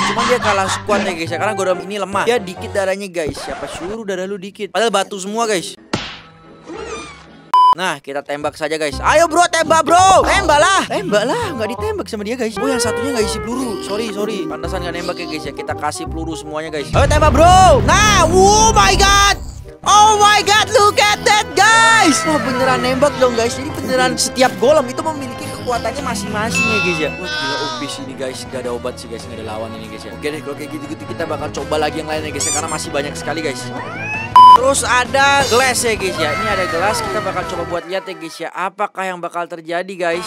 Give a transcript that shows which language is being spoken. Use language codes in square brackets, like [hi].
[id] Cuma dia kalah squad ya guys ya, karena golem ini lemah. Dia dikit darahnya guys. Siapa suruh darah lu dikit? Padahal batu semua guys. Nah, kita tembak saja guys. Ayo bro, tembak bro. Tembaklah. Tembaklah, enggak ditembak sama dia guys. Oh, yang satunya enggak isi peluru. Sorry, sorry. Pantasan enggak nembak ya guys ya. Kita kasih peluru semuanya guys. Ayo tembak bro. Nah, [en] oh my god. Oh my god, look at that guys. [id] Wah, beneran nembak dong guys. Jadi beneran setiap golem itu memiliki kekuatannya masing-masing ya guys ya. Wah, gila obis ini guys. Enggak ada obat sih guys, enggak ada lawan ini guys ya. Oke deh, kalau kayak gitu-gitu kita bakal coba lagi yang lainnya guys ya, karena masih banyak sekali guys. Terus ada gelas ya guys ya. Ini ada gelas, kita bakal coba buat lihat ya guys ya, apakah yang bakal terjadi guys.